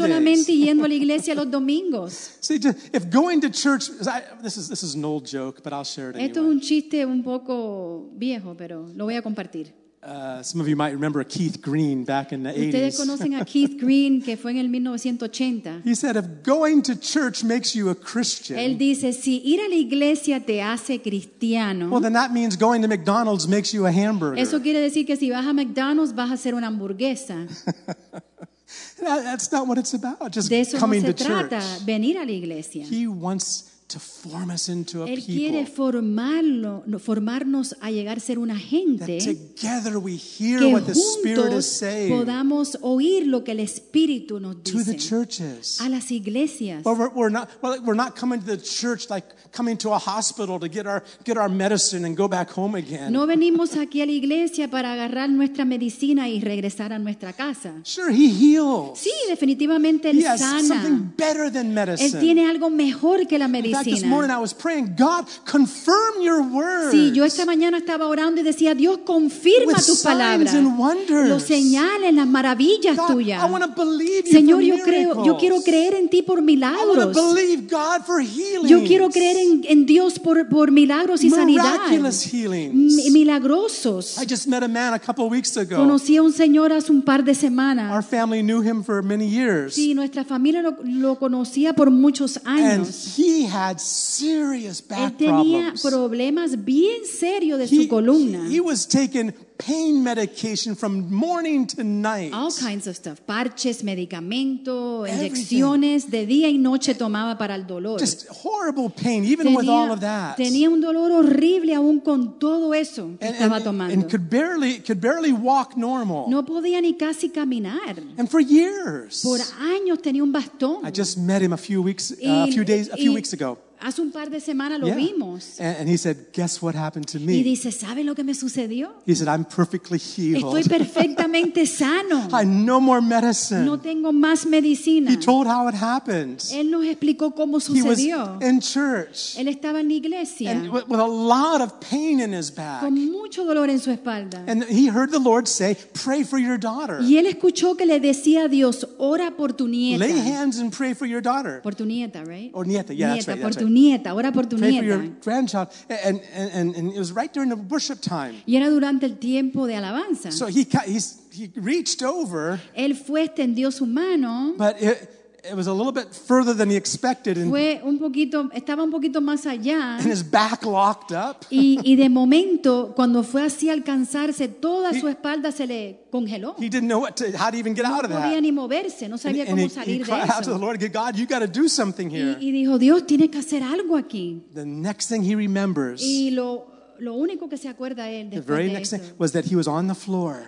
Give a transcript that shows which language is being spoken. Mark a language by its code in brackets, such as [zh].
[es] No solamente yendo a la iglesia los domingos. [en] See, just, if going to church, this is an old joke, but I'll share it anyway. [es] Esto es un chiste un poco viejo, pero lo voy a compartir. [en] Some of you might remember Keith Green back in the 80s. [es] ¿Ustedes conocen a Keith Green que fue en el 1980? [en] He said, if going to church makes you a Christian, [es] él dice, si ir a la iglesia te hace cristiano, [en] well, then that means going to McDonald's makes you a hamburger. [es] Eso quiere decir que si vas a McDonald's vas a ser una hamburguesa. [en] That's not what it's about, just [es] de eso [en] coming [es] no se [en] to [es] trata, [en] church. [es] Venir a la iglesia. [en] He wants to form us into a [es] él [en] people. [es] Quiere formarlo, formarnos a llegar a ser una gente [en] that together we hear what the Spirit is saying [es] podamos oír lo que el Espíritu nos dice [en] to the churches. [es] A las iglesias. [en] Well, we're not coming to the church like coming to a hospital to get our medicine and go back home again. [es] No venimos aquí a la iglesia para agarrar nuestra medicina y regresar a nuestra casa. [en] Sure, he heals. [es] Sí, definitivamente él [en] he has [es] sana. [en] Something better than medicine. [es] Él tiene algo mejor que la medicina. [en] In fact, this morning I was praying, God, confirm your words. [es] Sí, yo esta mañana estaba orando y decía, Dios, confirma [en] with [es] tu palabra. [en] With signs and wonders. [es] Los señales, las maravillas tuyas. [en] God, I want to believe you [es] Señor, [en] for [es] yo [en] miracles. [es] Señor, yo quiero creer en ti por milagros. [en] I want to believe God for healings. [es] Yo quiero creer en Dios por milagros y sanidad. [en] Miraculous healings. [es] Milagrosos. [en] I just met a man a couple weeks ago. [es] Conocí a un señor hace un par de semanas. [en] Our family knew him for many years. [es] Sí, nuestra familia lo conocía por muchos años. [en] And he had serious back problems. [es] Él tenía problemas bien serios de su columna. [en] He was taking pain medication from morning to night. All kinds of stuff. [es] Parches, medicamento, inyecciones. [en] Everything. [es] De día y noche tomaba para el dolor. [en] Just horrible pain, even with all of that. [es] Tenía un dolor horrible aún con todo eso que estaba tomando. [en] And could barely walk normal. [es] No podía ni casi caminar. [en] And for years. [es] Por años tenía un bastón. [en] I just met him a few weeks ago. [es] Hace un par de semanas lo vimos. [en] And he said, guess what happened to me? [es] Y dice, ¿sabe lo que me sucedió? [en] He said, I'm perfectly healed. [es] Estoy perfectamente sano. [en] I no more medicine. [es] No tengo más medicina. [en] He told how it happened. [es] Él nos explicó cómo sucedió. [en] He was in church. [es] Él estaba en la iglesia. [en] And with a lot of pain in his back. [es] Con mucho dolor en su espalda. [en] And he heard the Lord say, pray for your daughter. [es] Y él escuchó que le decía a Dios, ora por tu nieta. [en] Lay hands and pray for your daughter. [es] Por tu nieta, right? [en] Or nieta, yeah, that's right. [es] Por tu nieta, ora por tu [en] pray [es] nieta. [en] For your grandchild. And it was right during the worship time. [es] Y era durante el tiempo de alabanza. [en] So he reached over. [es] Él fue, extendió su mano. [en] But it, it was a little bit further than he expected, and [es] fue un poquito, estaba un poquito más allá, [en] and his back locked up. [es] Y de momento, cuando fue así alcanzarse, toda su espalda se le congeló. [en] He didn't know how to even get out of that. [es] No podía ni moverse, no sabía cómo salir de eso. [en] And he cried out to the Lord, God, you got to do something here. [es] Y dijo, Dios, tienes que hacer algo aquí. [en] The next thing he remembers. [es] Y lo único que se acuerda él [en] the very next thing was that he was on the floor